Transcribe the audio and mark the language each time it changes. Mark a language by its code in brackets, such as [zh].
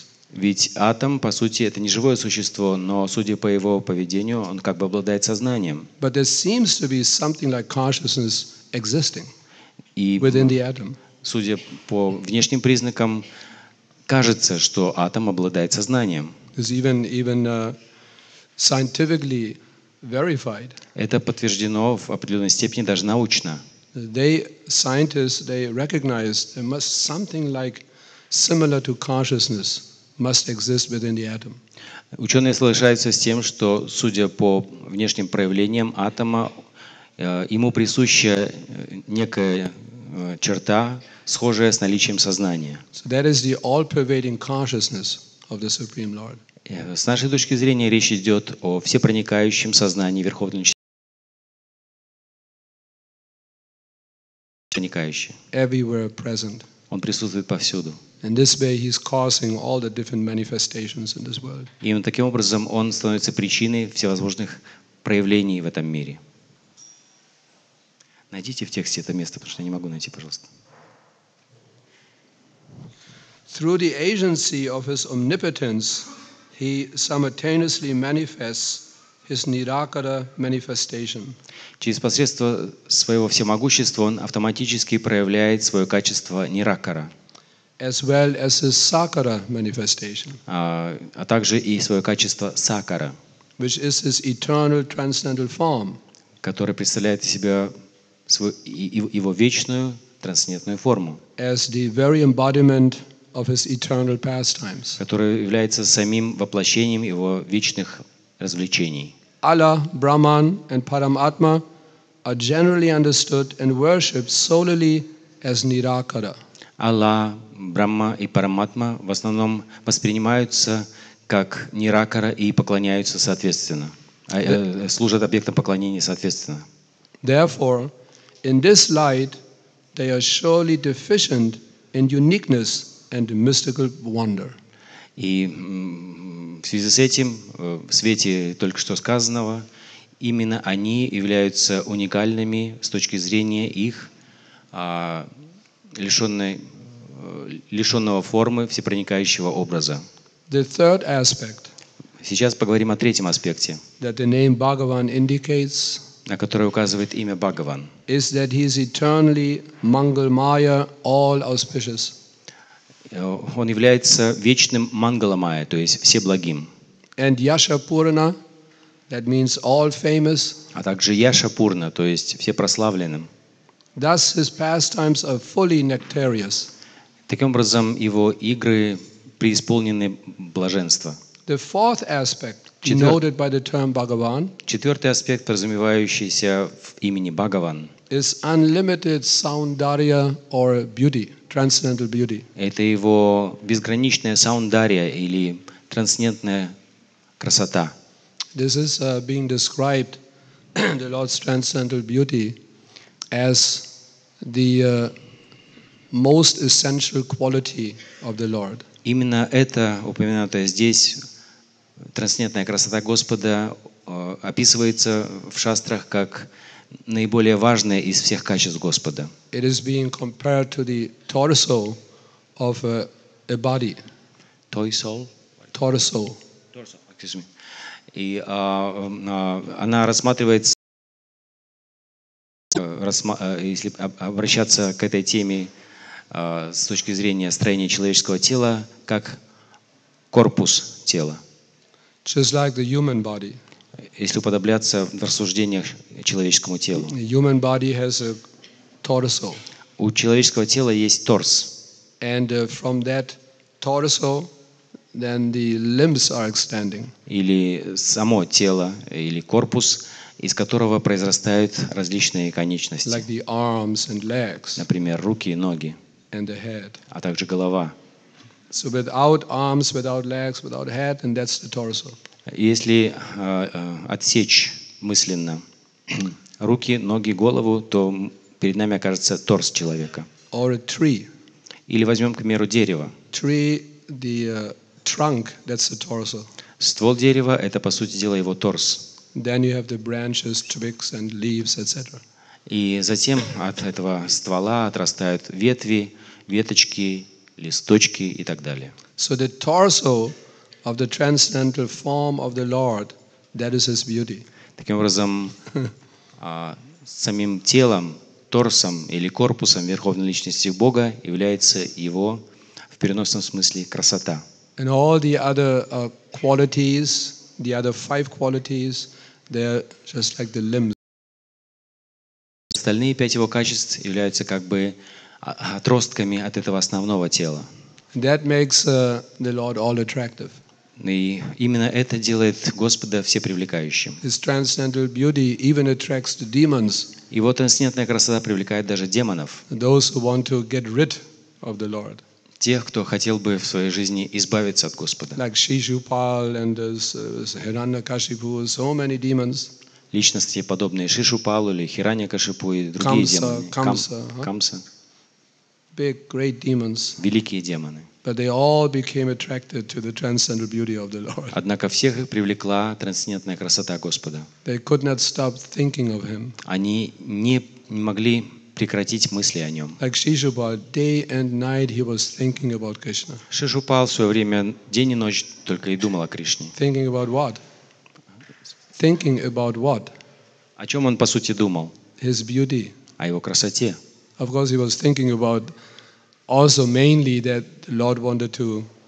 [ru] Ведь атом, по сути, это не живое существо, но, судя по его поведению, он как бы обладает сознанием. [en] But there seems to be something like consciousness existing within the atom. [ru] И, судя по внешним признакам, кажется, что атом обладает сознанием. [en] It's even scientifically verified. [ru] Это подтверждено в определенной степени даже научно. [en] They scientists they recognize there must something like similar to consciousness must exist within the atom. [ru] Ученые соглашаются с тем, что, судя по внешним проявлениям атома, ему присуща некая черта, схожая с наличием сознания. [en] So that is the all-pervading consciousness of the Supreme Lord. [ru] С нашей точки зрения речь идет о всепроникающем сознании Верховного Человека. [en] Everywhere present. [ru] Он присутствует повсюду. [en] In this way, he's causing all the different manifestations in this world. [ru] И таким образом он становится причиной всевозможных проявлений в этом мире. Найдите в тексте это место, потому что я не могу найти, пожалуйста. [en] Through the agency of his omnipotence, he simultaneously manifests his nirakara manifestation. [ru] Через посредство своего всемогущества он автоматически проявляет свое качество ниракара. [en] As well as his sakara manifestation. [ru] А также и свое качество сакара. [en] Which is his eternal transcendental form. [ru] Которое представляет из себя его вечную трансцендентную форму, [en] as the very embodiment of his eternal pastimes, [ru] которая является самим воплощением его вечных развлечений. [en] Allah, Brahman, and Paramatma are generally understood and worshipped solely as nirakara. [ru] Аллах, Брахма и Параматма в основном воспринимаются как ниракара и поклоняются соответственно, служат объектом поклонения соответственно. [en] Therefore, in this light, they are surely deficient in uniqueness and mystical wonder. [ru] И в связи с этим, в свете только что сказанного, именно они являются уникальными с точки зрения их лишенного формы всепроникающего образа. [en] The third aspect, [ru] сейчас поговорим о третьем аспекте, [en] that the name Bhagavan indicates, [ru] на который указывает имя Бхагаван. [en] Is that he is eternally Mangal Maya, all auspicious. [ru] Он является вечным Мангаламая, то есть всеблагим. [en] And Yasha Purna, that means all famous. [ru] А также Яша Пурна, то есть всепрославленным. [en] Thus his pastimes are fully nectarious. [ru] Таким образом, его игры преисполнены блаженства. [en] The fourth aspect, denoted by the term Bhagavan, [ru] четвертый аспект, подразумевающийся в имени Бхагаван, [en] is unlimited саундарья or beauty. Transcendental beauty. [ru] Это его безграничная саундария или трансцендентная красота. [en] This is being described the Lord's transcendental beauty as the most essential quality of the Lord. [ru] Именно это упомянутая здесь трансцендентная красота Господа описывается в шастрах как наиболее важное из всех качеств Господа. [en] It is being compared to the torso of a body. Torso. Torso. Torso. Excuse me. [ru] И она рассматривается, если обращаться к этой теме с точки зрения строения человеческого тела, как корпус тела. [en] Just like the human body. [ru] Если уподобляться в рассуждениях человеческому телу. [en] Human body has a torso. [ru] У человеческого тела есть торс. [en] And from that torso, then the limbs are extending. [ru] Или само тело, или корпус, из которого произрастают различные конечности. [en] Like the arms and legs. [ru] Например, руки и ноги. [en] And the head. [ru] А также голова. [en] So without arms, without legs, without head, and that's the torso. [ru] Если отсечь мысленно руки, ноги, голову, то перед нами окажется торс человека. [en] Or a tree. [ru] Или возьмем, к примеру, дерево. [en] Tree, the, trunk, that's the torso. [ru] Ствол дерева – это, по сути дела, его торс. [en] Then you have the branches, twigs and leaves, etc. [ru] И затем от этого ствола отрастают ветви, веточки, листочки и так далее. [en] So the torso of the transcendental form of the Lord, that is His beauty. [ru] Таким образом, самим телом, торсом или корпусом Верховной Личности Бога является Его, в переносном смысле, красота. [en] And all the other qualities, the other five qualities, they're just like the limbs. [ru] Остальные пять его качеств являются как бы отростками от этого основного тела. [en] That makes the Lord all attractive. [ru] И именно это делает Господа всепривлекающим. [en] His transcendental beauty even attracts the demons. [ru] Его трансцендентная красота привлекает даже демонов. [en] Those who want to get rid of the Lord. [ru] Тех, кто хотел бы в своей жизни избавиться от Господа. [en] Like Shishupal and Hiranyakashipu, so many demons. [ru] Личности, подобные Шишупалу или Хираньякашипу и другие [en] Камса. Big, great demons. [ru] Великие демоны. [en] But they all became attracted to the transcendental beauty of the Lord. [ru] Однако всех привлекла трансцендентная красота Господа. [en] They could not stop thinking of Him. [ru] Они не могли прекратить мысли о Нем. [en] Like Shishupal, day and night he was thinking about Krishna. [ru] Шишупал в свое время день и ночь только и думал о Кришне. [en] Thinking about what? Thinking about what? [ru] О чем он по сути думал? [en] His beauty. [ru] О его красоте. [en] Of course, he was thinking about. Also, mainly that the Lord wanted to.